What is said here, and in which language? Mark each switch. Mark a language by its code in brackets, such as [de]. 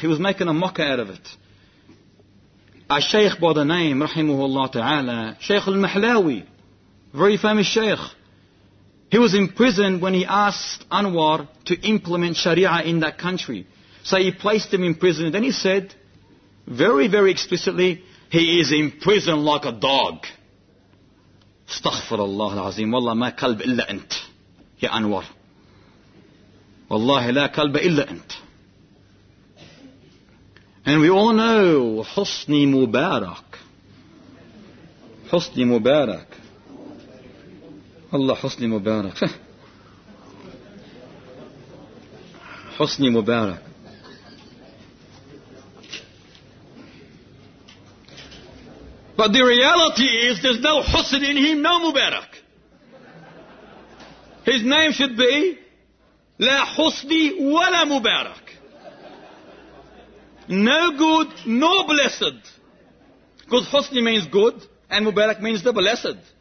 [en] He was making a mocker out of it. A shaykh by the name, rahimahullah ta'ala, Shaykh al-Mahlawi, very famous shaykh. He was imprisoned when he asked Anwar to implement sharia in that country. So he placed him in prison. Then he said, very, very explicitly, he is in prison like a dog. [ar] استغفر الله العظيم، والله ما كلب إلا أنت يا أنور، والله لا كلب إلا أنت. [en] And we all know حسني مبارك، حسني مبارك، الله حسني مبارك، حسني مبارك. But the reality is there's no حسن in him, no مبارك. His name should be [ar] لا حسني ولا مبارك. [en] No good, no blessed. Because حسني means good and مبارك means the blessed.